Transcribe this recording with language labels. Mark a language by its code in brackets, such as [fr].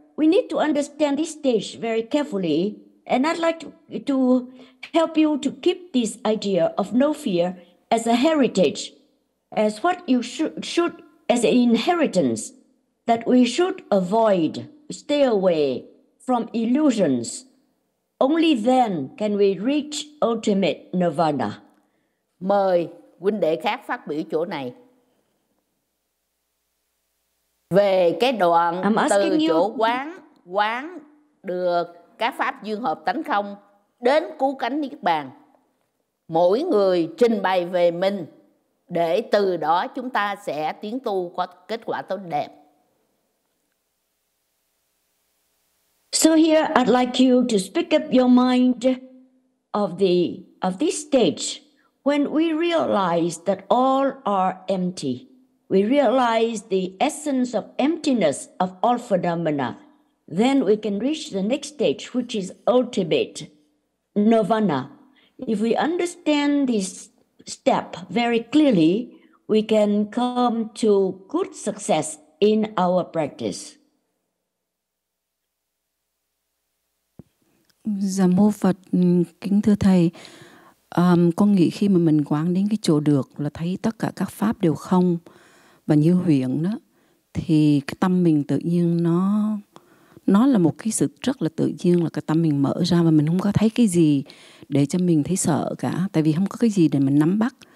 [en] We need to understand this stage very carefully, and I'd like to help you to keep this idea of no fear as a heritage, as what you should as an inheritance, that we should avoid, stay away from illusions. Only then can we reach ultimate nirvana. [vi] Mời huynh đệ khác phát biểu chỗ này. Về cái đoạn từ chỗ quán được các pháp duyên hợp tánh không đến cứu cánh Niết Bàn, mỗi người trình bày về mình để từ đó chúng ta sẽ tiến tu có kết quả tốt đẹp. [en] So here I'd like you to speak up your mind of this stage when we realize that all are empty. We realize the essence of emptiness of all phenomena, then we can reach the next stage, which is ultimate nirvana. If we understand this step very clearly, we can come to good success in our practice. [vi] Dạ mô Phật, kính thưa thầy, con nghĩ khi mà mình quán đến cái chỗ được là thấy tất cả các pháp đều không và như huyện đó, thì cái tâm mình tự nhiên nó là một cái sự rất là tự nhiên, là cái tâm mình mở ra và mình không có thấy cái gì để cho mình thấy sợ cả, tại vì không có cái gì để mình nắm bắt.